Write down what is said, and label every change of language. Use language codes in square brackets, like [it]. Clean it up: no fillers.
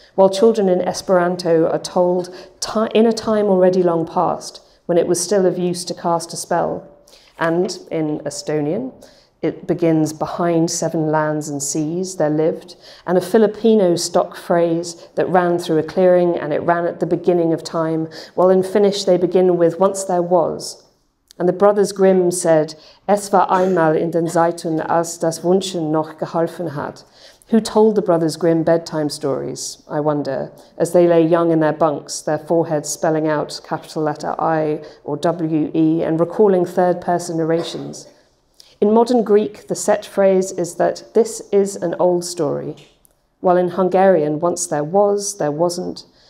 [en] While children in Esperanto are told in a time already long past, when it was still of use to cast a spell. And in Estonian, it begins behind seven lands and seas there lived, and a Filipino stock phrase that ran through a clearing and it ran at the beginning of time, while in Finnish they begin with once there was. And the Brothers Grimm said, [de] Es war einmal in den Zeiten, als das Wünschen noch geholfen hat. [en] Who told the Brothers Grimm bedtime stories, I wonder, as they lay young in their bunks, their foreheads spelling out capital letter I or W-E and recalling third-person narrations. In modern Greek, the set phrase is that this is an old story, while in Hungarian, once there was, there wasn't.